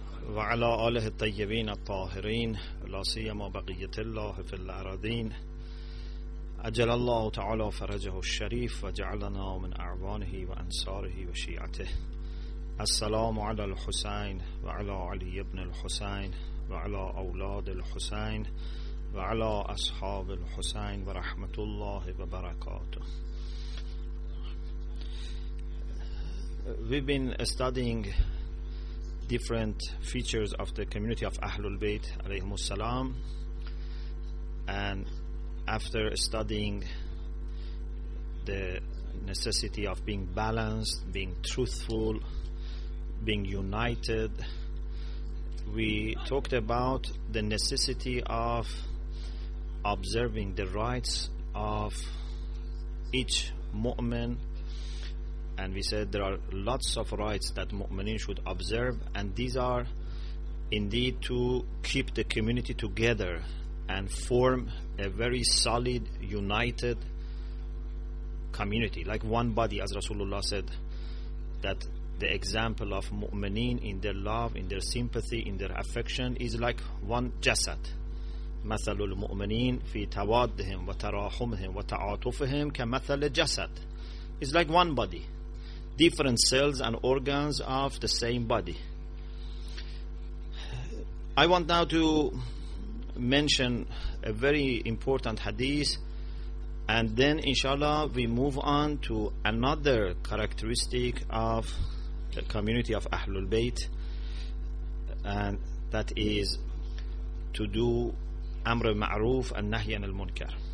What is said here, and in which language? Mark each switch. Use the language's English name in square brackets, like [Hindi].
[Arabic] وعلى آله الطيبين الطاهرين لا سيما بقية الله في الأراضين أجل الله تعالى فرجه الشريف وجعلنا من أعوانه وأنصاره وشيعته السلام على الحسين وعلى علي بن الحسين وعلى أولاد الحسين وعلى أصحاب الحسين ورحمة الله وبركاته. [English] We've been studying different features of the community of Ahlul Bayt alayhim as-salam, and after studying the necessity of being balanced, being truthful, being united, we talked about the necessity of observing the rights of each mu'min, and we said there are lots of rights that mu'minin should observe, and these are indeed to keep the community together and form a very solid, united community, like one body, as Rasulullah said, that the example of mu'mineen in their love, in their sympathy, in their affection is like one jasad. [Arabic] مثل المؤمنين في توادهم وتراحمهم وتعاطفهم كمثل جسد. [English] It's like one body, different cells and organs of the same body. I want now to mention a very important hadith, and then inshallah we move on to another characteristic of the community of Ahlul Bayt, and that is to do Amr al-Ma'ruf and Nahy al-Munkar.